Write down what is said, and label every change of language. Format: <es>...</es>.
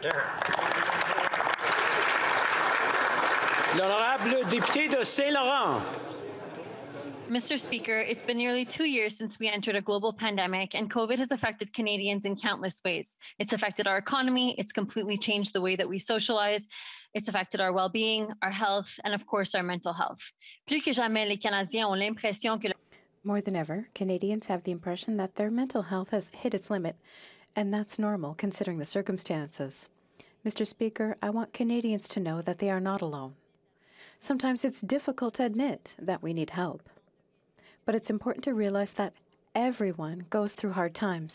<fr>L'honorable député de Saint-Laurent.</fr> <en>Mr. Speaker, it's been nearly 2 years since we entered a global pandemic, and COVID has affected Canadians in countless ways. It's affected our economy, it's completely changed the way that we socialize, it's affected our well-being, our health, and of course, our mental health.</en> <fr>Plus que jamais, les Canadiens ont l'impression que...</fr> <en>More than ever, Canadians have the impression that their mental health has hit its limit, and that's normal considering the circumstances. Mr. Speaker, I want Canadians to know that they are not alone. Sometimes it's difficult to admit that we need help. But it's important to realize that everyone goes through hard times.</en>